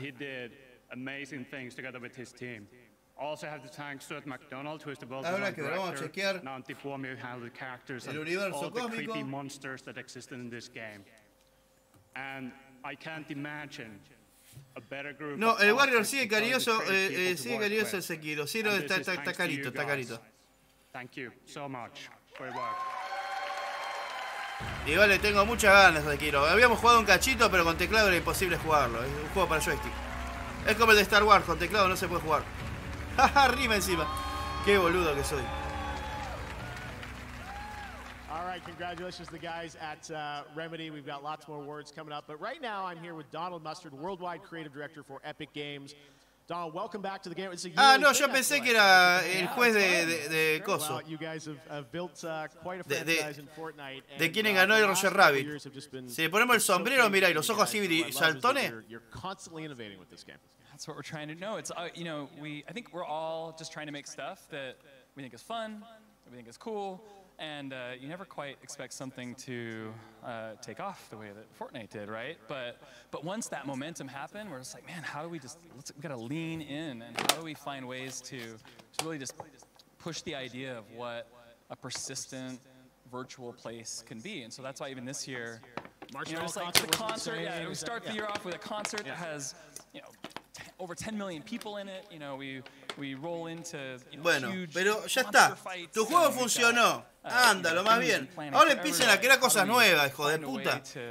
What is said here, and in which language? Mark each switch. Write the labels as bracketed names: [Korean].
[English] He did amazing things together with his team. Also have to thank Stuart McDonald, who is the world's [Spanish] director. Habrá que ver, vamos a chequear. [English] Nanti Fuomi, who handled the characters and all the creepy monsters that existed in this game. And I can't imagine a better group. [Spanish] No, el Warrior sigue cariñoso, sigue cariñoso el Sekiro. Sí, no, está carito. [English] Thank you so much for your work. [Spanish] Igual le tengo muchas ganas de Sekiro. Habíamos jugado un cachito, pero con teclado era imposible jugarlo. Es un juego para joystick. Es como el de Star Wars, con teclado no se puede jugar. Jaja, rima encima. Qué boludo que soy. [English] Alright, congratulations to the guys at Remedy. We've got lots more awards coming up. But right now I'm here with Donald Mustard, Worldwide Creative Director for Epic Games. Donald, welcome back to the game. Ah, no, yo pensé que era el juez de coso. You guys have built quite a franchise in Fortnite. [Spanish] De quién ganó el Roger Rabbit. Si le ponemos el sombrero, mira, y los ojos así saltones. [English] You're constantly innovating with this game. That's what we're trying to know. It's you know, I think we're all just trying to make stuff that we think is fun, that we think is cool, and you never quite expect something to take off the way that Fortnite did, right? But once that momentum happened, we're just like, man, how do we just, we've got to lean in, and how do we find ways to really just push the idea of what a persistent virtual place can be? And so that's why even this year, you know, it's like the concert, yeah, we start the year off with a concert that has, you know, over 10 million people in it, you know, we roll into, you know, [Spanish] bueno, [English] huge, [Spanish] pero ya está. Tu juego funcionó. Ándalo, más bien. Ahora empiecen a crear cosas nuevas, hijo de puta.